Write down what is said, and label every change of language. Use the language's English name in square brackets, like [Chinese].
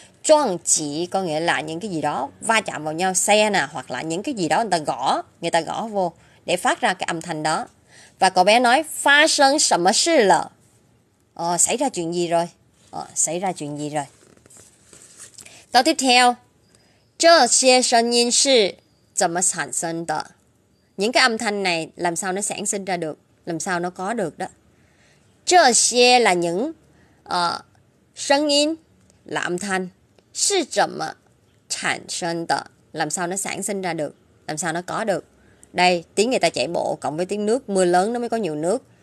[Vietnamese] Choang chỉ có nghĩa là những cái gì đó va chạm vào nhau, xe nè, hoặc là những cái gì đó người ta gõ vô để phát ra cái âm thanh đó. Và cậu bé nói, [Chinese] fa sheng shenme shi le, [Vietnamese] xảy ra chuyện gì rồi, xảy ra chuyện gì rồi. Câu tiếp theo, [Chinese] 这些声音是怎么产生的? [Vietnamese] Những cái âm thanh này làm sao nó sản sinh ra được, làm sao nó có được đó. 这些 là những 声音 là âm thanh, [Chinese] 是怎么产生的? [Vietnamese] Làm sao nó sản sinh ra được, làm sao nó có được. Đây, tiếng người ta chạy bộ cộng với tiếng nước, mưa lớn nó mới có nhiều nước.